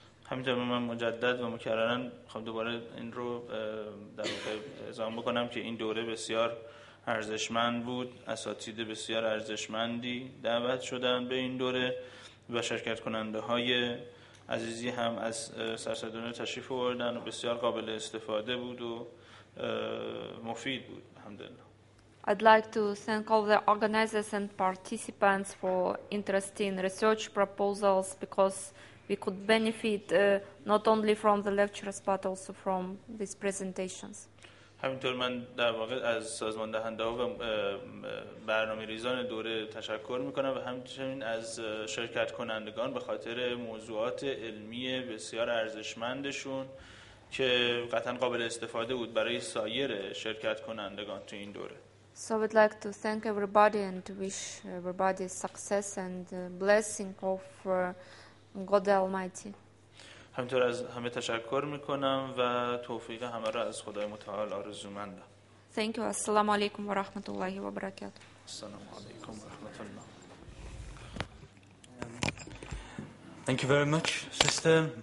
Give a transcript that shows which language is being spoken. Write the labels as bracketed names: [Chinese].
[Persian] همینطور من مجدد و مکررن خب دوباره این رو در واقع اعلام بکنم که این دوره بسیار ارزشمند بود، اساتید بسیار ارزشمندی دعوت شدن به این دوره و شرکت کننده های عزیزی هم از سرسدونه تشریف آوردن و بسیار قابل استفاده بود و مفید بود الحمدلله. [English] I'd like to thank all the organizers and participants for interesting research proposals because we could benefit not only from the lectures but also from these presentations. [Persian] همینطور من در واقع از سازمان دهنده ها و برنامه ریزان دوره تشکر میکنم و همچنین از شرکت کنندگان به خاطر موضوعات علمی بسیار ارزشمندشون که قطعا قابل استفاده بود برای سایر شرکت کنندگان تو این دوره. [English] So I'd like to thank everybody and wish everybody success and blessing of God Almighty. [Persian] همینطور از همه تشکر میکنم و توفیق همه را از خدای متعال آرزومندم. [English] Thank you. [Arabic] السلام علیکم و رحمت الله و برکاته. السلام علیکم و رحمت الله. [English] Thank you very much, sister.